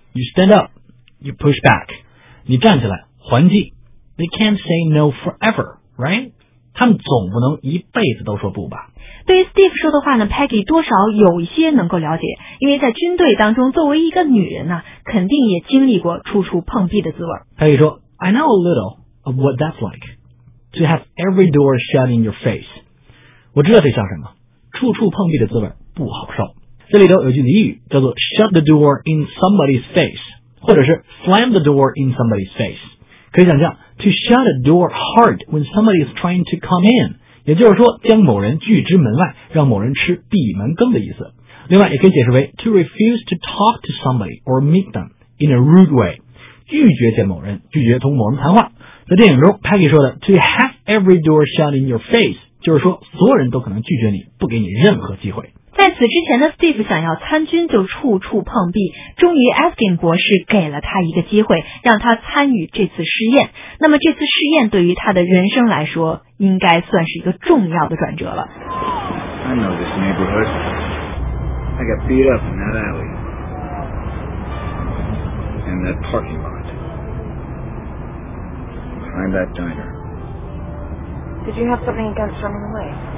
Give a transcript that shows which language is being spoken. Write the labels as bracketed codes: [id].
[en] You stand up, you push back。 [zh] 你站起来，还击。 [en] They can't say no forever, right? [zh] 他们总不能一辈子都说不吧。对于 Steve 说的话呢， Peggy 多少有一些能够了解，因为在军队当中作为一个女人呢，肯定也经历过处处碰壁的滋味。 [en] Peggy [zh] 说 [en] I know a little of what that's like to have every door shut in your face. [zh] 我知道这像什么，处处碰壁的滋味不好受。这里头有句俚语叫做 [en] shut the door in somebody's face， [zh] 或者是 [en] slam the door in somebody's face。 [zh] 可以想象 [en] to shut a door hard when somebody is trying to come in， [zh] 也就是说将某人拒之门外，让某人吃闭门羹的意思。另外也可以解释为 [en] to refuse to talk to somebody or meet them in a rude way， [zh] 拒绝见某人，拒绝同某人谈话。在电影中 Peggy 说的 [en] to have every door shut in your face， [zh] 就是说所有人都可能拒绝你，不给你任何机会。在此之前的 Steve 想要参军就处处碰壁，终于 Eskin 博士给了他一个机会，让他参与这次试验。那么这次试验对于他的人生来说，应该算是一个重要的转折了。 [en] I know this neighborhood. I got beat up in that alley, in that parking lot, behind that diner. Did you have something against running away?